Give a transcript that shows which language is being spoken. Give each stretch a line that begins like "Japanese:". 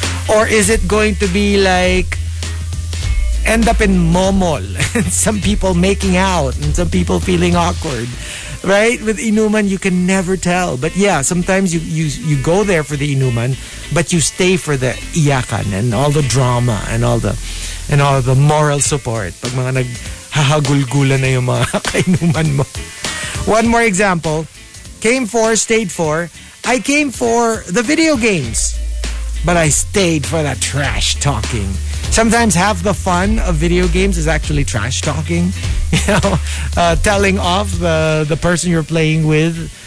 English: Or is it going to be like, end up in momol and some people making out and some people feeling awkward? Right? With inuman, you can never tell. But yeah, sometimes you go there for the inuman, but you stay for the iyakan and all the drama and all the moral support.
Filipino: Pag mga nag-hahagulgula na yung mga kainuman mo.
English: One more example. Came for, stayed for. I came for the video games, but I stayed for the trash talking. Sometimes half the fun of video games is actually trash talking. You know, telling off the person you're playing with.